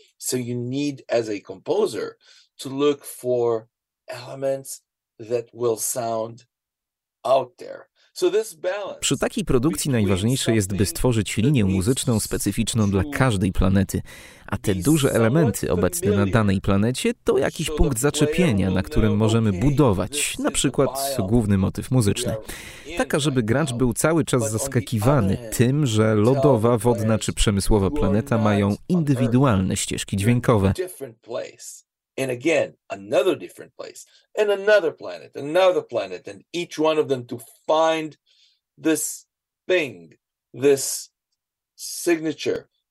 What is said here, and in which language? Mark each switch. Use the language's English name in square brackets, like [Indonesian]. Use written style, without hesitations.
[English] So you need, as a composer, to look for elements that will sound out there. [Polish] Przy takiej produkcji najważniejsze jest, by stworzyć linię muzyczną specyficzną dla każdej planety, a te duże elementy obecne na danej planecie to jakiś punkt zaczepienia, na którym możemy budować, na przykład główny motyw muzyczny. Tak, żeby gracz był cały czas zaskakiwany tym, że lodowa, wodna czy przemysłowa planeta mają indywidualne ścieżki dźwiękowe. [English] And again, another different place, and another planet, and each one of them to find this thing, this signature.